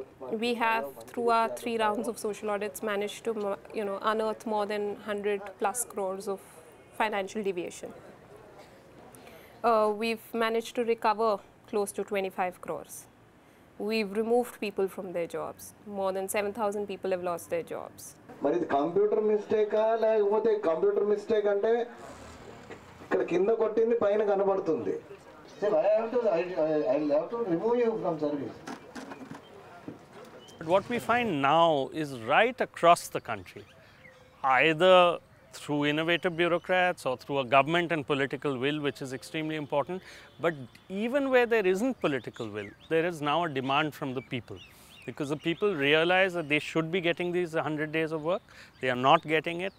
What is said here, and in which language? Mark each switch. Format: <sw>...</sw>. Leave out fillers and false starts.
<en>We have, through our three rounds of social audits, managed to, you know, unearth more than 100 plus crores of financial deviation. We've managed to recover close to 25 crores. We've removed people from their jobs. More than 7,000 people have lost their jobs.</en> <te>మరి ఇది computer mistake ఆ లేకపోతే computer mistake అంటే ఇక్కడ కింద కొట్టింది పైన కనబడుతుంది.</te> <en>But what we find now is right across the country, either through innovative bureaucrats or through a government and political will, which is extremely important, but even where there isn't political will, there is now a demand from the people, because the people realize that they should be getting these 100 days of work. They are not getting it.</en>